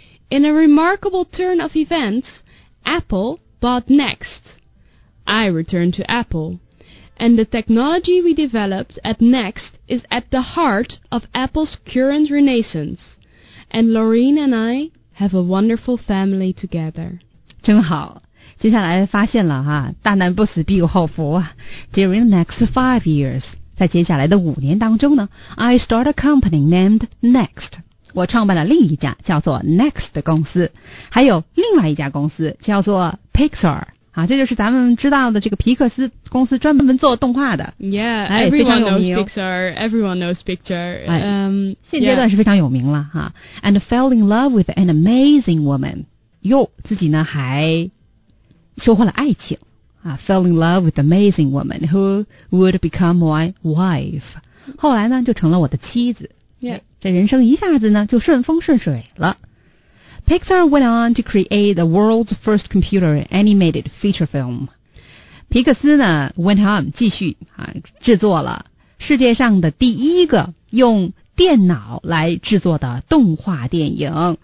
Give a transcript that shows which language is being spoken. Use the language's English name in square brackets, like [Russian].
[English] In a remarkable turn of events, Apple bought Next. I returned to Apple. And the technology we developed at Next is at the heart of Apple's current renaissance. And Laureen and I have a wonderful family together. [Chinese] 真好，接下来发现了哈，大难不死必有后福。 [English] During the next 5 years, [Chinese] 在接下来的五年当中呢 [English] ,I start a company named Next. [Chinese] 我创办了另一家叫做 Next 的公司，还有另外一家公司叫做 Pixar. 啊，这就是咱们知道的这个皮克斯公司专门做动画的。 [English] Yeah,、哎、 everyone knows Pixar. Everyone knows Pixar.、 [Chinese] 哎、现阶段是非常有名了哈、 [English] yeah. 啊。 And fell in love with an amazing woman. [Chinese] 哟，自己呢还收获了爱情啊。 [English] Fell in love with an amazing woman who would become my wife. [Chinese] 后来呢就成了我的妻子。 [English] Yeah. [Chinese] 这人生一下子呢就顺风顺水了。 [English] Pixar went on to create the world's first computer animated feature film. [Chinese] 皮克斯呢 [English] went on [Chinese] 继续、啊、制作了世界上的第一个用电脑来制作的动画电影、